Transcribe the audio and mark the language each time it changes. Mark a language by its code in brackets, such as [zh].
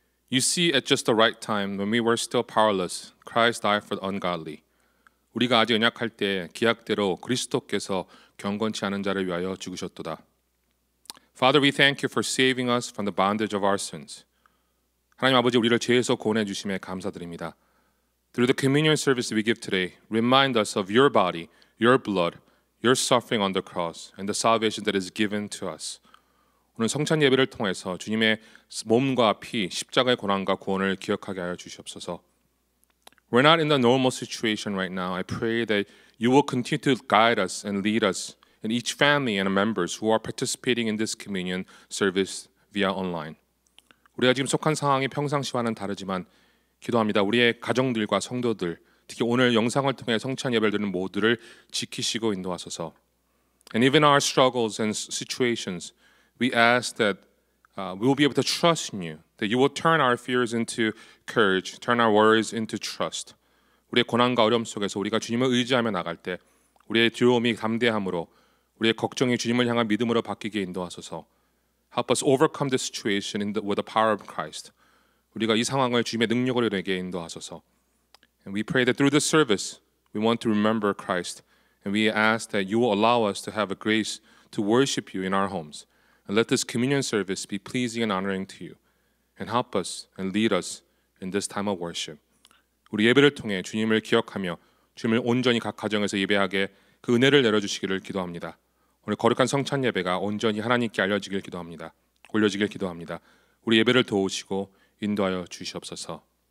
[en] You see at just the right time when we were still powerless, Christ died for the ungodly. [ko] 우리가 아직 연약할 때 기약대로 그리스도께서 경건치 않은 자를 위하여 죽으셨도다. [en] Father, we thank you for saving us from the bondage of our sins. [ko] 하나님 아버지, 우리를 죄에서 구원해 주심에 감사드립니다. [en] Through the communion service we give today, remind us of your body, your blood, your suffering on the cross, and the salvation that is given to us. [ko] 오늘 성찬 예배를 통해서 주님의 몸과 피, 십자가의 고난과 구원을 기억하게 하여 주시옵소서. [en] We're not in the normal situation right now. I pray that you will continue to guide us and lead us in each family and members who are participating in this communion service via online. [ko] 우리가 지금 속한 상황이 평상시와는 다르지만 기도합니다. 우리의 가정들과 성도들, 특히 오늘 영상을 통해 성찬 예배를 드리는 모두를 지키시고 인도하소서. [en] And even our struggles and situations, we ask that we will be able to trust in you, that you will turn our fears into courage, turn our worries into trust. [ko] 우리의 고난과 어려움 속에서 우리가 주님을 의지하며 나갈 때 우리의 두려움이 담대함으로, 우리의 걱정이 주님을 향한 믿음으로 바뀌게 인도하소서. [en] Help us overcome this situation with the power of Christ. [ko] 우리가 이 상황을 주님의 능력으로 내게 인도하소서. [en] And we pray that through this service, we want to remember Christ. And we ask that you will allow us to have a grace to worship you in our homes. And let this communion service be pleasing and honoring to you. And help us and lead us in this time of worship. [ko] 우리 예배를 통해 주님을 기억하며 주님을 온전히 각 가정에서 예배하게 그 은혜를 내려주시기를 기도합니다. 오늘 거룩한 성찬 예배가 온전히 하나님께 알려지길 기도합니다. 올려지길 기도합니다. 우리 예배를 도우시고 인도하여 주시옵소서.